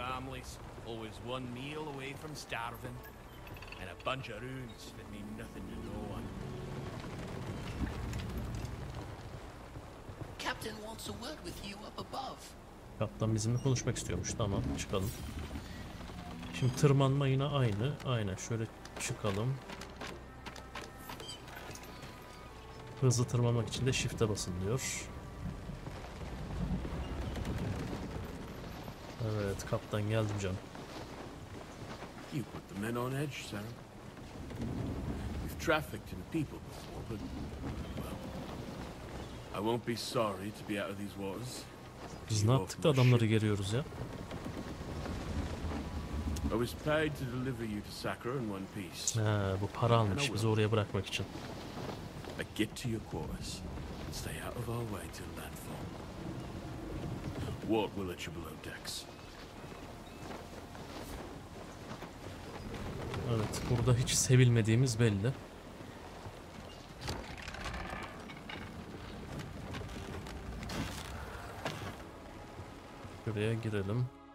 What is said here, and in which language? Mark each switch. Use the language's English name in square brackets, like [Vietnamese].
[English] Families, always one meal away from starving, and a bunch of runes that mean nothing to no one. Captain wants a word with you up above. [Turkish] Kaptan bizimle konuşmak istiyormuş. Tamam, çıkalım. Şimdi tırmanma yine aynı. Aynen, şöyle çıkalım. Hızlı tırmanmak için de shift'e basın diyor. Evet, kaptan geldim canım. [English] You put the men on edge, sir. We've trafficked in people before, but well, I won't be sorry to be out of these waters. [Turkish] Biz ne yaptık da adamları geriyoruz ya? [English] I was paid to deliver you to Sakura in one piece. [Turkish] Ha, bu para almış bizi oraya bırakmak için. [English] But get to your quarters. Stay out of our way till landfall. Walt will let you below decks. [Turkish] Evet, burada hiç sevilmediğimiz belli. Şuraya girelim.